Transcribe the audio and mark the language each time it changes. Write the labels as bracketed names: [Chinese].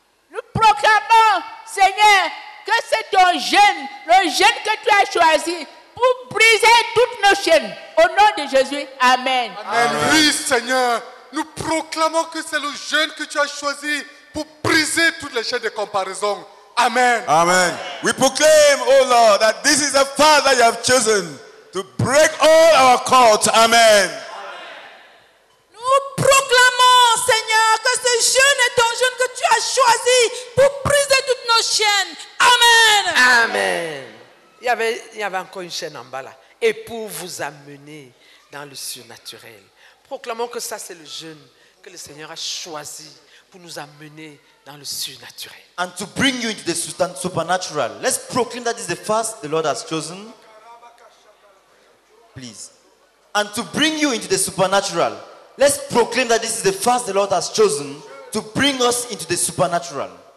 [French] Nous proclamons, Seigneur, que c'est ton jeûne, le jeûne que tu as choisi pour briser toutes nos chaînes. Au nom de Jésus, amen. Amen. Amen. Oui, Seigneur, nous proclamons que c'est le jeûne que tu as choisi pour briser toutes les chaînes de comparaison. Amen. Amen. [English] We proclaim, oh Lord, that this is the path that you have chosen to break all our cords. Amen. Amen. [French] Nous proclamons, Seigneur, que ce jeûne est ton jeûne que tu as choisi pour briser toutes nos chaînes. Amen. Amen. Il y avait encore une chaîne en bas là. Et pour vous amener dans le surnaturel. Proclamons que ça, c'est le jeûne que le Seigneur a choisi pour nous amener dans le surnaturel. [English] And to bring you into the supernatural, let's proclaim that is the fast the Lord has chosen. Please. And to bring you into the supernatural, let's proclaim that this is the fast the Lord has chosen to bring us into the supernatural.